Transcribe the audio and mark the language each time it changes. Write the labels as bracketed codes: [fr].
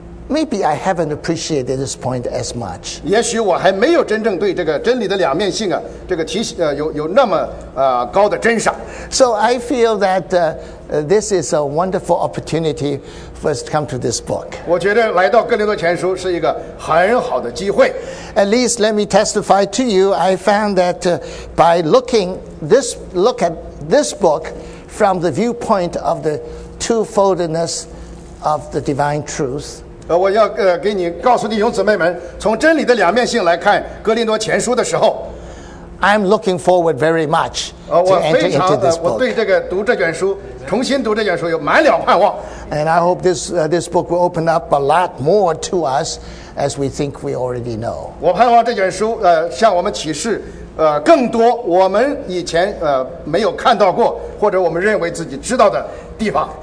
[en] maybe I haven't appreciated this point as much. [zh] 也许我还没有真正对这个真理的两面性这个提醒有那么高的珍赏。 [en] So I feel that this is a wonderful opportunity first come to this book. [zh] 我觉得来到哥林多前书是一个很好的机会。 [en] At least let me testify to you, I found that by look at this book from the viewpoint of the twofoldness of the divine truth. [zh] 我要给你告诉弟兄姊妹们，从真理的两面性来看哥林多前书的时候， [en] I'm looking forward very much to enter into this book. [zh] 我对这个读这卷书，重新读这卷书有满了盼望。 [en] And I hope this book will open up a lot more to us as we think we already know. [zh] 我盼望这卷书向我们启示更多我们以前没有看到过或者我们认为自己知道的地方。